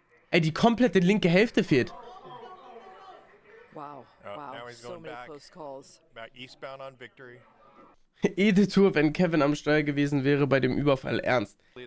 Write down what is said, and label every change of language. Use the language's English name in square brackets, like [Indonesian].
[German] Ey, die komplette linke Hälfte fehlt. [English] Wow, wow, so many close calls. Back eastbound on Victory. [German] Jede Tour, wenn Kevin am Steuer gewesen wäre bei dem Überfall, ernst.